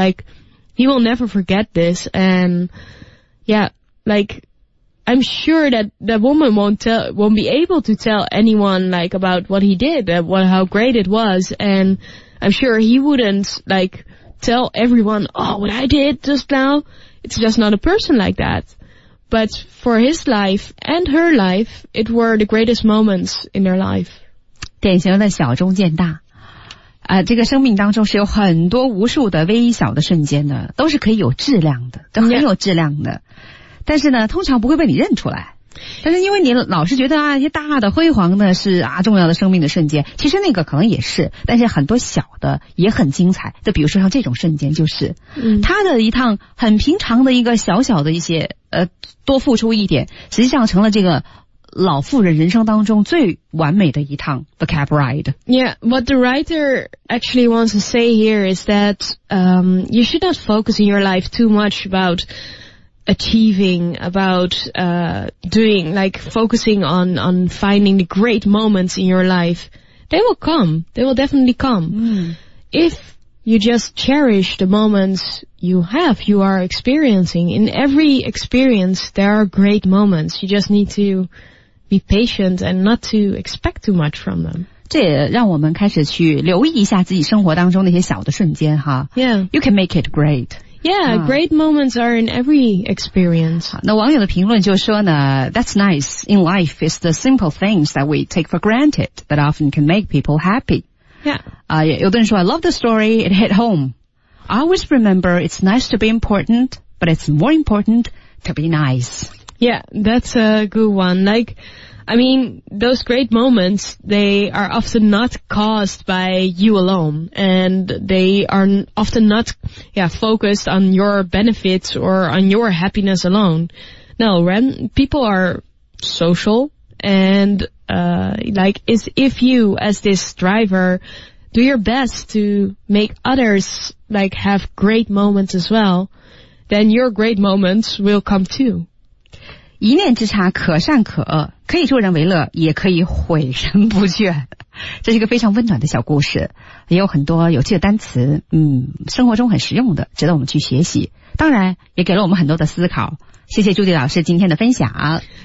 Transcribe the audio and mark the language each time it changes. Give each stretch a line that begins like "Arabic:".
English: Like, he will never forget this and... Yeah, like, I'm sure that the woman won't be able to tell anyone, like, about what he did, how great it was, and I'm sure he wouldn't, like, tell everyone, oh, what I did just now, it's just not a person like that. But for his life and her life, it were the greatest moments in their life.
Chinese: 典型的小中见大。啊，这个生命当中是有很多无数的微小的瞬间的，都是可以有质量的，都很有质量的。但是呢，通常不会被你认出来。但是因为你老是觉得啊，一些大的辉煌的是啊重要的生命的瞬间，其实那个可能也是，但是很多小的也很精彩。就比如说像这种瞬间，就是，他的一趟很平常的一个小小的一些多付出一点，实际上成了这个。老妇人人生当中最完美的一趟
English: the cab ride. Yeah, what the writer actually wants to say here is that, you should not focus in your life too much about achieving, about, doing, like focusing on finding the great moments in your life. They will come. They will definitely come. If you just cherish the moments you are experiencing. In every experience, there are great moments. You just need to,be patient and not to expect too much from them.
Chinese: 这也让我们开始去留意一下自己生活当中那些小的瞬间哈。
English: Yeah. You can make it great. Yeah, great moments are in every experience.
Chinese: 那网友的评论就说呢
English: that's nice. In life, it's the simple things that we take for granted that often can make people happy. Yeah.
Chinese: 有的人说
English: I love the story, it hit home. I always remember it's nice to be important, but it's more important to be nice. Yeah, that's a good one. Like, I mean, those great moments, they are often not caused by you alone. And they are often not, focused on your benefits or on your happiness alone. No, Ren, people are social and, like, is if you, as this driver, do your best to make others, like, have great moments as well, then your great moments will come too.
Chinese: 一念之差可善可恶，可以助人为乐，也可以毁人不倦。这是一个非常温暖的小故事，也有很多有趣的单词，生活中很实用的，值得我们去学习。当然，也给了我们很多的思考。谢谢朱迪老师今天的分享。